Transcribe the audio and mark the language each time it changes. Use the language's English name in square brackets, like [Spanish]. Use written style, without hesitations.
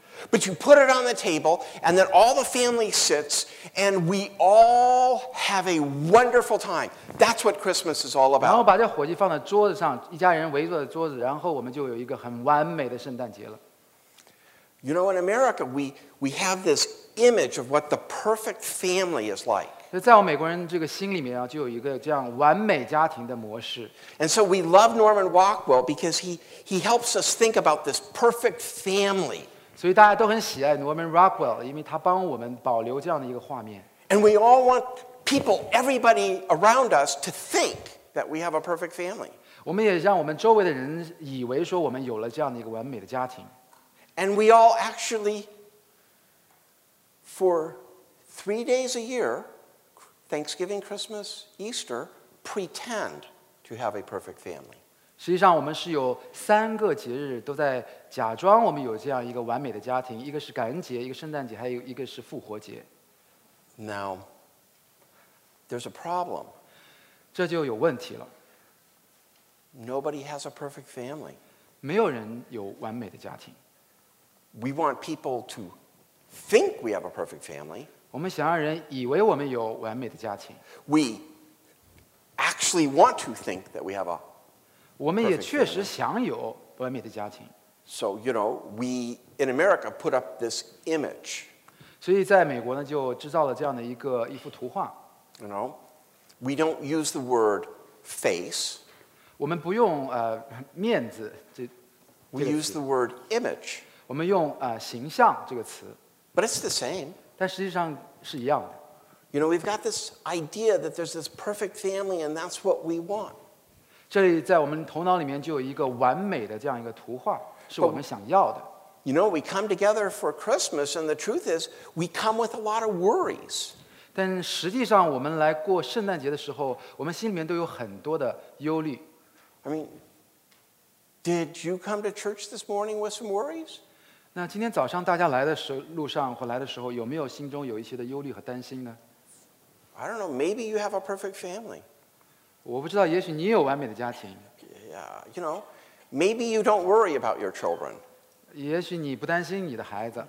[English] But you put it on the table, and then all the family sits, and we all have a wonderful time. That's what Christmas is all about. [Chinese] 然后把这火鸡放在桌子上，一家人围坐在桌子，然后我们就有一个很完美的圣诞节了。 [English] You know, in America, we have this image of what the perfect family is like. [Chinese] 在我美国人这个心里面、啊、就有一个这样完美家庭的模式。 [English] And so we love Norman Rockwell because he helps us think about this perfect family. [Chinese] 所以大家都很喜爱 Norman Rockwell, 因为他帮我们保留这样的一个画面。 [English] And we all want people, everybody around us, to think that we have a perfect family. [Chinese] 我们也让我们周围的人以为说我们有了这样的一个完美的家庭。 [English] And we all actually, for 3 days a year,Thanksgiving, Christmas, Easter, pretend to have a perfect family. [Chinese] 实际上我们是有三个节日都在假装我们有这样一个完美的家庭，一个是感恩节，一个圣诞节，还有一个是复活节。 [English] Now, there's a problem. [Chinese] 这就有问题了。 [English] Nobody has a perfect family. [Chinese] 没有人有完美的家庭。 [English] We want people to think we have a perfect family. [Chinese] 我们想让人以为我们有完美的家庭。 [English] We actually want to think that we have a. [Chinese] 我们也确实想有完美的家庭。 [English] So you know, we in America put up this image. [Chinese] 所以在美国呢，就制造了这样的一幅图画。 [English] You know, we don't use the word face. [Chinese] 我们不用面子这。 [English] We use the word image. [Chinese] 我们用形象这个词。 [English] But it's the same. [Chinese] 但实际上是一样的。 [English] You know, we've got this idea that there's this perfect family, and that's what we want. [Chinese] 这里在我们头脑里面就有一个完美的这样一个图画，是我们想要的。 [English] You know, we come together for Christmas, and the truth is, we come with a lot of worries. [Chinese] 但实际上，我们来过圣诞节的时候，我们心里面都有很多的忧虑。 [English] I mean, did you come to church this morning with some worries? [Chinese] 那今天早上大家来的时候路上或来的时候有没有心中有一些的忧虑和担心呢 [English] I don't know, maybe you have a perfect family. [Chinese] 我不知道也许你有完美的家庭。 [English] Yeah, you know, maybe you don't worry about your children. [Chinese] 也许你不担心你的孩子。